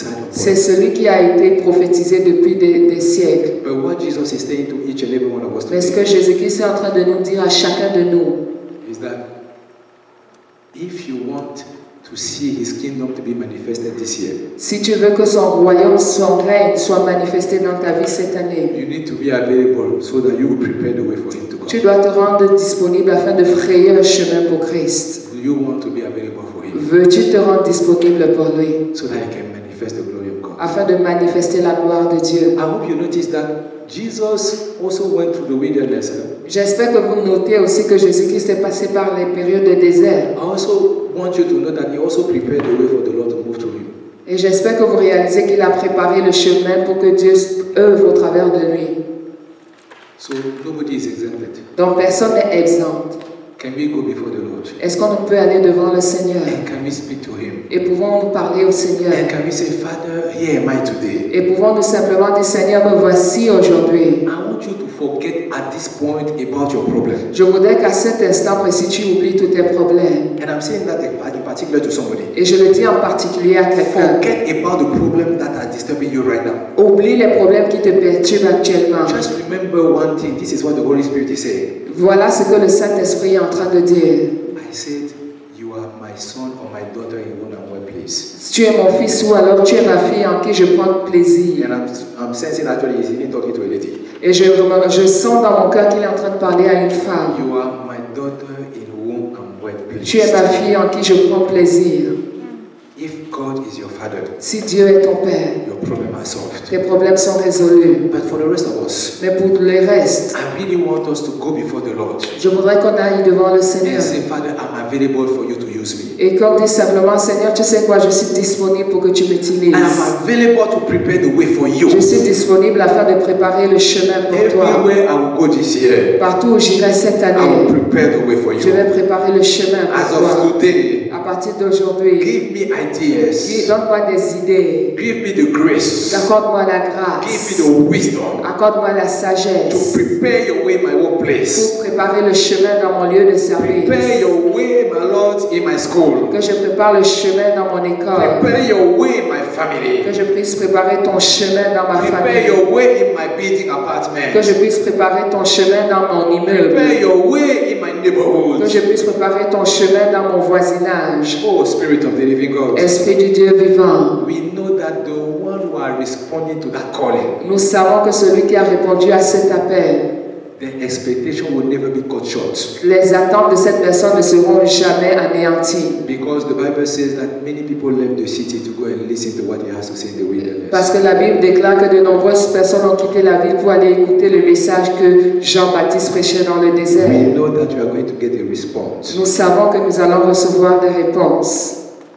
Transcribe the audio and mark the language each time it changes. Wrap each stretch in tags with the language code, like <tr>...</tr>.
<fr>C'est celui qui a été prophétisé depuis des siècles. Mais ce que Jésus-Christ est en train de nous dire à chacun de nous,</fr> <en>is that if you want to see his kingdom to be manifested this year,</en> <fr>si tu veux que son royaume, son règne soit manifesté dans ta vie cette année,</fr> <en>you need to be available so that you will prepare the way for him.</en> <fr>Tu dois te rendre disponible afin de frayer le chemin pour Christ.</fr> <en>You want to be available for him.</en> <fr>Veux-tu te rendre disponible pour lui?</fr> <en>So that he can manifest the glory of God.</en> <fr>Afin de manifester la gloire de Dieu.</fr> <en>I hope you notice that Jesus also went through the wilderness.</en> <fr>J'espère que vous notez aussi que Jésus-Christ est passé par les périodes de désert.</fr> <en>I also want you to know that he also prepared the way for the Lord to move through him.</en> <fr>Et j'espère que vous réalisez qu'il a préparé le chemin pour que Dieu œuvre au travers de lui.</fr> <en>So nobody is exempted.</en> <fr>Donc personne n'est exempt.</fr> <en>Can we go before the Lord?</en> <fr>Est-ce qu'on peut aller devant le Seigneur?</fr> <en>And can we speak to him?</en> <fr>Et pouvons-nous parler au Seigneur?</fr> <en>And can we say, Father, here am I today?</en> <fr>Et pouvons-nous simplement dire, Seigneur, me voici aujourd'hui.</fr> <en>I want you to forget at this point about your problem.</en> <fr>Je voudrais qu'à cet instant précis, tu oublies tous tes problèmes.</fr> <en>And I'm saying that in particular to somebody.</en> <fr>Et je le dis en particulier à quelqu'un.</fr> <en>Forget about the problem that are disturbing you right now.</en> <fr>Oublie les problèmes qui te perturbent actuellement.</fr> <en>Just remember one thing. This is what the Holy Spirit is saying.</en> <fr>Voilà ce que le Saint-Esprit est en train de dire.</fr> <en>I said, you are my son or my daughter in one and one place.</en> <fr>Tu es mon fils ou alors tu es ma fille en qui je prends plaisir.</fr> <en>And I'm sensing actually he's even talking to a lady.</en> <fr>Et je sens dans mon cœur qu'il est en train de parler à une femme.</fr> <en>You are my daughter in one and one place.</en> <fr>Tu es ma fille en qui je prends plaisir.</fr> <en>If God is your father,</en> <fr>si Dieu est ton père,</fr> <en>your problem are solved.</en> <fr>Tes problèmes sont résolus.</fr> <en>But for the rest of us,</en> <fr>mais pour le reste,</fr> <en>I really want us to go before the Lord.</en> <fr>Je voudrais qu'on aille devant le Seigneur.</fr> <en>And say, Father, I'm available for you to use me.</en> <fr>Et qu'on dise simplement, Seigneur, tu sais quoi, je suis disponible pour que tu m'utilises.</fr> <en>I'm available to prepare the way for you.</en> <fr>Je suis disponible afin de préparer le chemin pour</fr> <en>Everywhere</en> <fr>toi.</fr> <en>Everywhere I will go this year,</en> <fr>partout où j'irai cette année,</fr> <en>I will prepare the way for you.</en> <fr>Je vais préparer le chemin pour</fr> <en>As</en> <fr>toi.</fr> <en>As of today.</en> <fr>partir d'aujourd'hui,</fr> <en>give me ideas.</en> <fr>Donne-moi des idées.</fr> <en>Give me the grace.</en> <fr>Accorde-moi la grâce.</fr> <en>Give me the wisdom.</en> <fr>Accorde-moi la sagesse.</fr> <en>To prepare your way in my workplace.</en> <fr>Pour préparer le chemin dans mon lieu de service.</fr> <en>Prepare your way, my Lord, in my school.</en> <fr>Que je prépare le chemin dans mon école.</fr> <en>Prepare your way, my family.</en> <fr>Que je puisse préparer ton chemin dans ma</fr> <en>prepare</en> <fr>famille.</fr> <en>Your way in my building apartment.</en> <fr>Que je puisse préparer ton chemin dans mon immeuble.</fr> <en>Prepare your way in my neighborhood.</en> <fr>Que je puisse préparer ton chemin dans mon voisinage.</fr> <en>Oh, Spirit of the Living God.</en> <fr>Esprit du Dieu vivant.</fr> <en>We know that the one who are responding to that calling.</en> <fr>Nous savons que celui qui a répondu à cet appel.</fr> <en>The expectation will never be cut short.</en> <fr>Les attentes de cette personne ne seront jamais anéanties.</fr> <en>Because the Bible says that many people left the city to go and listen to what he has to say in the wilderness.</en> <fr>Parce que la Bible déclare que de nombreuses personnes ont quitté la ville pour aller écouter le message que Jean-Baptiste prêchait dans le désert.</fr> <en>We know that you are going to get a response.</en> <fr>Nous savons que nous allons recevoir des réponses.</fr>